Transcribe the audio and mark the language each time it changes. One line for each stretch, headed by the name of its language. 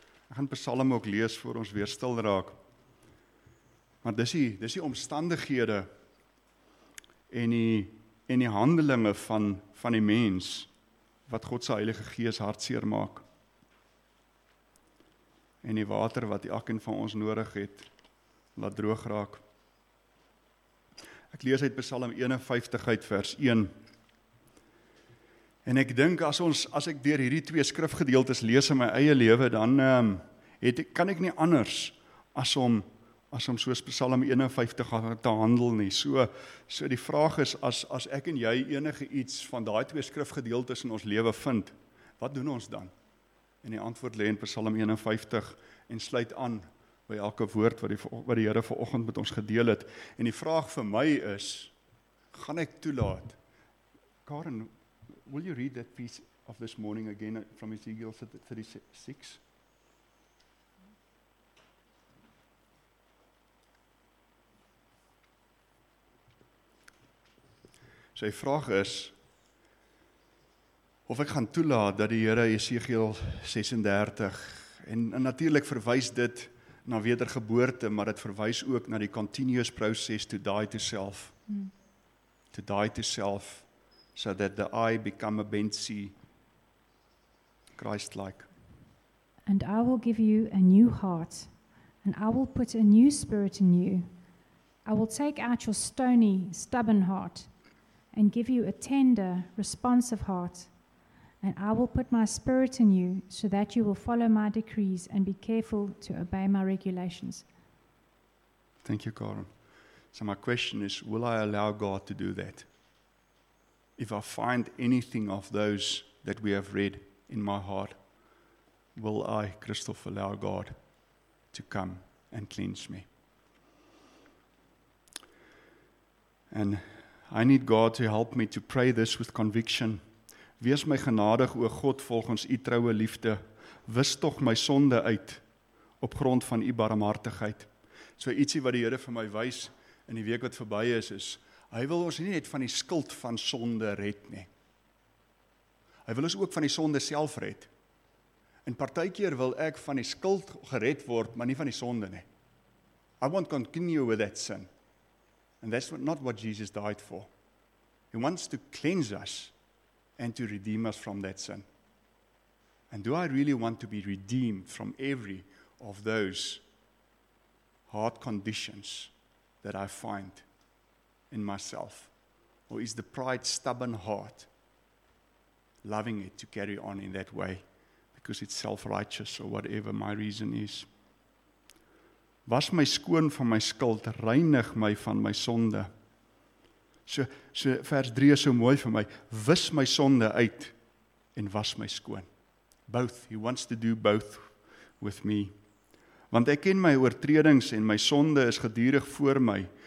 Afrikaans: Ek gaan Psalm ook lees voor ons weer stil raak. Maar dis die omstandighede en die handelinge van die mens wat God se Heilige Gees hartseer maak. En die water wat elkeen van ons nodig het, laat droog raak. Ek lees uit Psalm 51 uit vers 1. En ek dink as ek deur hierdie twee skrifgedeeltes lees in my eie lewe, dan kan ek nie anders as om soos Psalm 51 te handel nie. So die vraag is, as ek en jy enige iets van daai twee skrifgedeeltes in ons lewe vind, wat doen ons dan? En die antwoord lê in Psalm 51 en sluit aan by elke woord wat die Here vanoggend met ons gedeel het. En die vraag vir my is, gaan ek toelaat?
English: Karen, will you read that piece of this morning again from Ezekiel 36?
Afrikaans: Sy vraag is, of ek gaan toelaat dat die Here Ezekiel 36, en natuurlik verwys dit na wedergeboorte, maar dit verwys ook na die
English: continuous process to die to self. To die to self, so that the I become a Bensi, Christ-like. And I will give you a new heart, and I will put a new spirit in you. I will take out your stony, stubborn heart, and give you a tender, responsive heart. And I will put my spirit in you so that you will follow my decrees and be careful to obey my regulations. Thank you, Karen. So my question is, will I allow God to do that? If I find anything of those that we have read in my heart, will I, Christoph, allow God to come and cleanse me? And I need God to help me to pray this with conviction.
Afrikaans: Wees my genadig, o God, volgens u troue liefde. Wis toch my sonde uit, op grond van u barmhartigheid. So ietsie wat die Here vir my wys in die week wat verby is, is, hy wil ons nie net van die skuld van sonde red nie. Hy wil ons ook van die sonde self red. En partykeer wil ek van die skuld gered word, maar nie van die sonde nie.
English: I won't continue with that sin. And that's not what Jesus died for. He wants to cleanse us and to redeem us from that sin. And do I really want to be redeemed from every of those heart conditions that I find in myself? Or is the pride stubborn heart loving it to carry on in that way because it's self-righteous or whatever my reason is?
Afrikaans: Was my skoon van my skuld, reinig my van my sonde. So vers 3 is so mooi vir my. Wis my sonde uit en was my skoon.
English: Both, he wants to do both with me.
Afrikaans: Want ek ken my oortredings en my sonde is gedurig voor my.